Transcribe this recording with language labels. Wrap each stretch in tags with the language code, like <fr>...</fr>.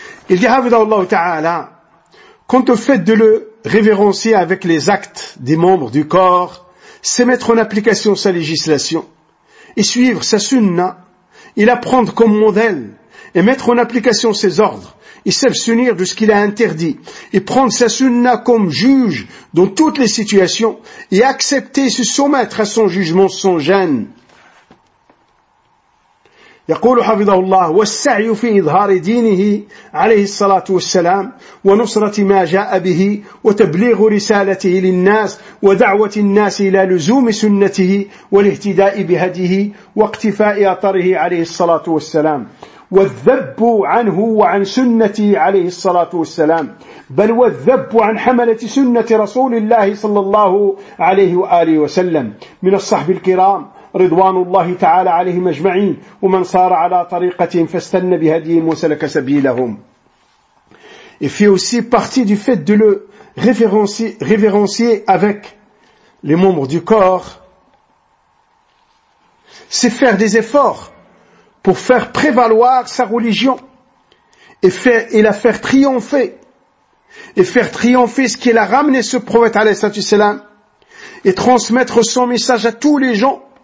<ar>إذ حفظه الله تعالى كنت فد له</ar> <fr>révérencier avec les actes des membres du corps, c'est mettre en application sa législation et suivre sa sunna et la prendre comme modèle et mettre en application ses ordres et s'abstenir de ce qu'il a interdit et prendre sa sunna comme juge dans toutes les situations et accepter se soumettre à son jugement sans gêne.</fr> <ar>يقول حفظه الله والسعي في إظهار دينه عليه الصلاة والسلام ونصرة ما جاء به وتبليغ رسالته للناس ودعوة الناس إلى لزوم سنته والاهتداء بهديه واقتفاء أطره عليه الصلاة والسلام والذب عنه وعن سنته عليه الصلاة والسلام بل والذب عن حملة سنة رسول الله صلى الله عليه وآله وسلم من الصحب الكرام رضوان الله تعالى عليهم أجمعين ومن صار على طريقة فاستنى بهديهم وسلك سبيلهم.</ar> <fr>Il fait aussi partie du fait de le référencier avec les membres du corps, c'est faire des efforts pour faire prévaloir sa religion et la faire triompher et faire triompher ce qui l'a ramené ce prophète alayhi salatu wasalam et transmettre son message à tous les gens.</fr>